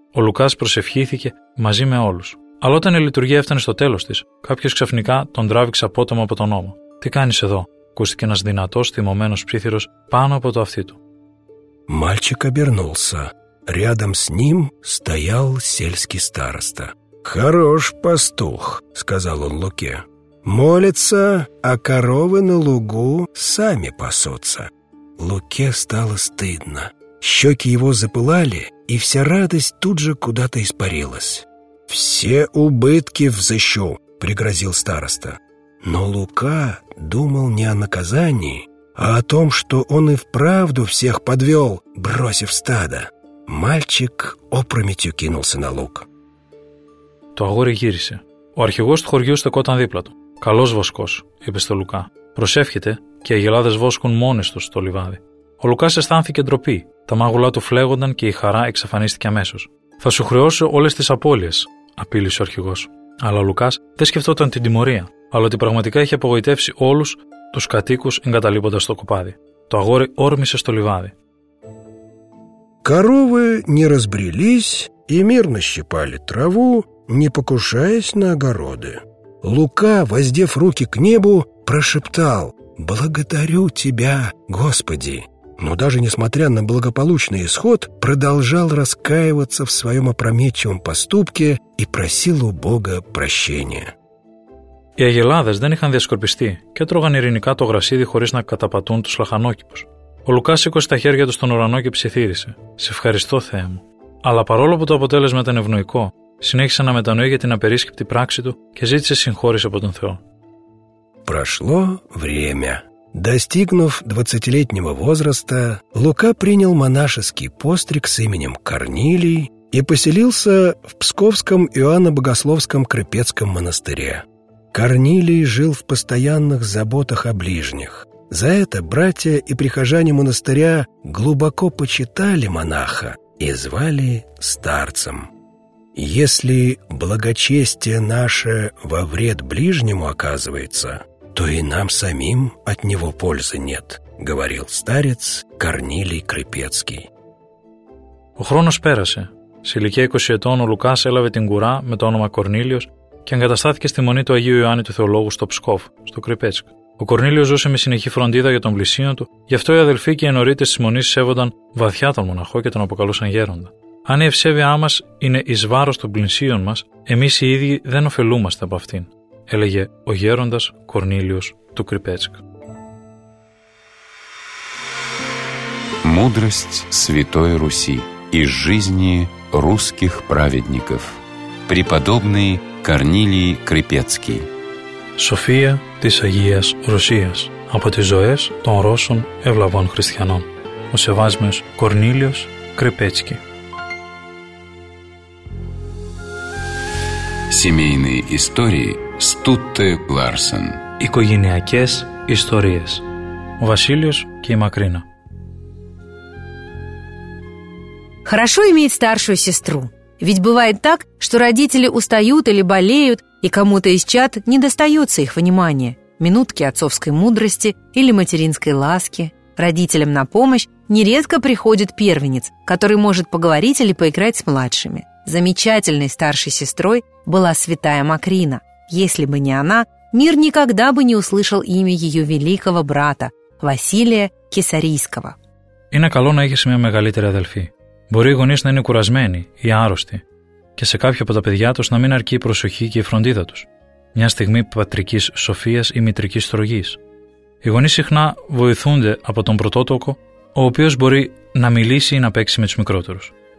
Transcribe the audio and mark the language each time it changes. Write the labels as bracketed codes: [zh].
[el] Ο Λουκάς προσευχήθηκε μαζί με όλους. Αλλά όταν η λειτουργία έφτανε στο τέλος της, κάποιος ξαφνικά τον τράβηξε απότομα από τον ώμο. «Τι κάνεις εδώ?» Ακούστηκε ένας δυνατός, θυμωμένος ψίθυρος πάνω από το αυτί του. [ru] Мальчик обернулся. Рядом с ним стоял сельский староста. «Хорош пастух», — сказал он Луке. «Молится, а коровы на лугу сами пасутся». Луке стало стыдно. Щеки его запылали, и вся радость тут же куда-то испарилась. «Все убытки взыщу», — пригрозил староста. Но Лука думал не о наказании, а о том, что он и вправду всех подвел, бросив стадо. Мальчик опрометью кинулся на луг. [el] Το αγόρι γύρισε. Ο αρχηγός του χωριού στεκόταν δίπλα του. «Καλός βοσκός», είπε στο Λουκά. «Προσεύχεται και οι αγελάδες βόσκουν μόνες τους στο λιβάδι». Ο Λουκάς αισθάνθηκε ντροπή. Τα μάγουλά του φλέγονταν και η χαρά εξαφανίστηκε αμέσως. «Θα σου χρεώσω όλες τις απώλειες», απείλησε ο αρχηγός. Αλλά ο Λουκάς δεν σκεφτόταν την τιμωρία, αλλά ότι πραγματικά είχε απογοητεύσει όλους τους κατοίκους εγκαταλείποντας το κοπάδι. Το αγόρι όρμησε στο λιβάδι. [ru] Коровы не разбрелись и мирно щипали траву, не покушаясь на огороды. Лука, воздев руки к небу, прошептал: «Благодарю тебя, Господи!» Но даже несмотря на благополучный исход, продолжал раскаиваться в своем опрометчивом поступке и просил у Бога прощения. [el] Οι Αγελάδες δεν είχαν διασκορπιστεί και τρώγαν ειρηνικά το γρασίδι χωρίς να καταπατούν τους λαχανόκηπους. Ο Λουκάς σήκωσε τα χέρια του στον ουρανό και ψιθύρισε: «Σε ευχαριστώ, Θεέ μου». Αλλά παρόλο που το αποτέλεσμα ήταν ευνοϊκό, συνέχισε να μετανοεί για την απερίσκεπτη πράξη του και ζήτησε συγχώρηση από τον Θεό. [ru] Прошло время. Достигнув 20-летнего возраста, Лука принял монашеский постриг с именем Корнилий и поселился в Псковском Иоанно-Богословском Крепецком монастыре. Корнилий жил в постоянных заботах о ближних. За это братья и прихожане монастыря глубоко почитали монаха и звали старцем. Если благочестие наше во вред ближнему оказывается, то и нам самим от него пользы нет, говорил старец Корнилий Крепецкий. [el] Ο χρόνος πέρασε. Σε ηλικία 20 ετών ο Λουκάς έλαβε την κουρά με το όνομα Κορνήλιος και εγκαταστάθηκε στη μονή του Αγίου Ιωάννη του Θεολόγου στο Ψκόφ, στο Κρυπέτσκ. Ο Κορνήλιος ζούσε με συνεχή φροντίδα για τον πλησίον του, γι' αυτό οι αδελφοί και οι ενωρίτες της μονής σέβονταν βαθιά τον μοναχό και τον αποκαλούσαν γέροντα. Αν η ευσέβειά μας είναι εις βάρος των πλησίων μας, εμείς οι ίδιοι δεν ωφελούμαστε από αυτήν, έλεγε ο γέροντας Κορνήλιος του Κρυπέτσκ. [ru] Μούδραστ Святой Руси из жизни русских праведников. Преподобный Корнилий Крепецкий. [el] Σοφία της Αγίας Ρωσίας από τις ζωές των Ρώσων ευλαβών χριστιανών. Ο σεβάσμιος Κορνήλιος Κρυπέτσκι. [ru] Семейные истории Стутте Ларсен. [el] Οικογενειακές ιστορίες. Ο Βασίλειος και η Μακρίνα. [ru] Хорошо иметь старшую сестру. Ведь бывает так, что родители устают или болеют, и кому-то из чад не достается их внимания, минутки отцовской мудрости или материнской ласки. Родителям на помощь нередко приходит первенец, который может поговорить или поиграть с младшими. Замечательной старшей сестрой была святая Макрина. Если бы не она, мир никогда бы не услышал имя ее великого брата Василия Кесарийского. [el] Είναι καλό να έχεις μια μεγαλύτερη αδελφή. Μπορεί οι γονείς να είναι κουρασμένοι ή άρρωστοι και σε κάποιο από τα παιδιά τους να μην αρκεί η προσοχή και η φροντίδα τους, μια στιγμή πατρικής σοφίας ή μητρικής στρογής. Οι γονείς συχνά βοηθούνται από τον πρωτότοκο, ο οποίος μπορεί να μιλήσει ή να παίξει με τους μικρότερους.